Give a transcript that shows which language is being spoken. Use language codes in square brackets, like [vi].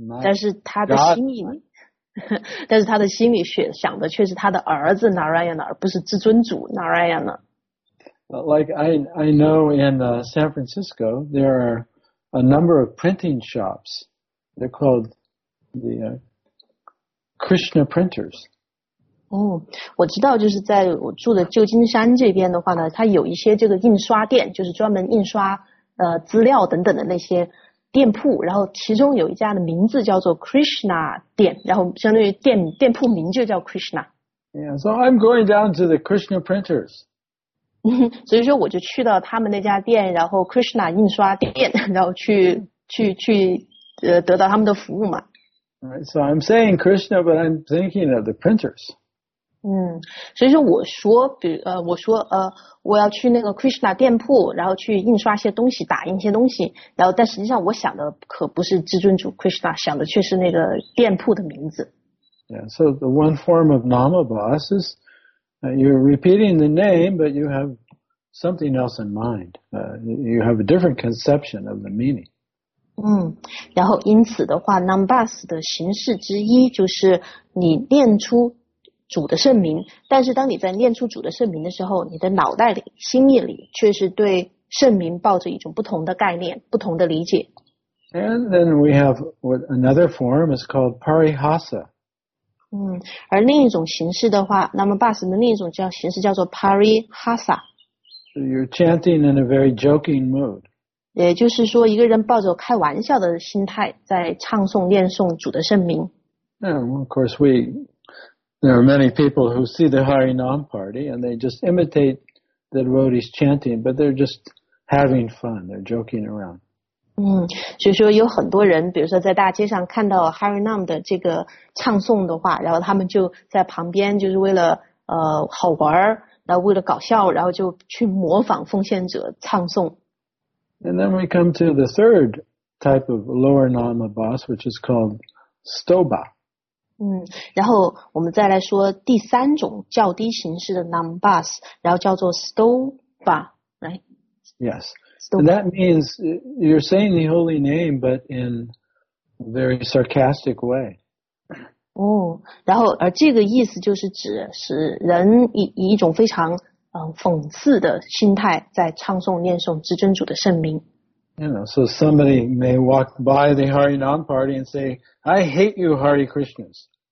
[zh] 但是他的心里，但是他的心里却想的却是他的儿子 Narayan， 而不是至尊主 Narayan。 [en] Like I know in San Francisco there are a number of printing shops. They're called the Krishna Printers. [zh] 我知道，就是在我住的旧金山这边的话呢，它有一些这个印刷店，就是专门印刷。资料等等的那些店铺，然后其中有一家的名字叫做 Krishna 店，然后相当于店铺名就叫 Krishna。 [en] Yeah, so I'm going down to the Krishna Printers. [zh] 所以说我就去到他们那家店，然后 Krishna 印刷店，然后去得到他们的服务嘛。 [en] Right, so I'm saying Krishna, but I'm thinking of the printers. [zh] 所以说我说我要去那个 Krishna 店铺，然后去印刷些东西，打印些东西，然后但实际上我想的可不是至尊主 Krishna， 想的却是那个店铺的名字。 [en] Yeah, so the one form of Namabhas is you're repeating the name, but you have something else in mind. You have a different conception of the meaning. [zh] 然后因此的话 numbers 的形式之一就是你念出主的圣名，但是当你在念出主的圣名的时候，你的脑袋里心意里却是对圣名抱着一种不同的概念，不同的理解。 [en] And then we have another form is called parihasa. [zh] 而另一种形式的话 numbers 的另一种形式叫做 parihasa. [en] So you're chanting in a very joking mood. [zh] 也就是说一个人抱着开玩笑的心态在唱诵念诵主的圣名。 [en] Yeah, well, of course, there are many people who see the Harinam party and they just imitate the devotees chanting, but they're just having fun, they're joking around. [zh] 所以说有很多人比如说在大街上看到 Harinam 的这个唱诵的话，然后他们就在旁边就是为了好玩，然后为了搞笑，然后就去模仿奉献者唱诵。 [en] And then we come to the third type of lower nama bas, which is called stoba. [zh] 然后我们再来说第三种较低形式的 nama bas, 然后叫做 stoba, [en] right? Yes. Stoba. And that means you're saying the holy name, but in a very sarcastic way. [zh] 然后而这个意思就是指使人 以一种非常讽刺的心态在唱诵念诵至尊主的圣名。 [en] So somebody may walk by the Harinam party and say, I hate you, Hare Krishnas.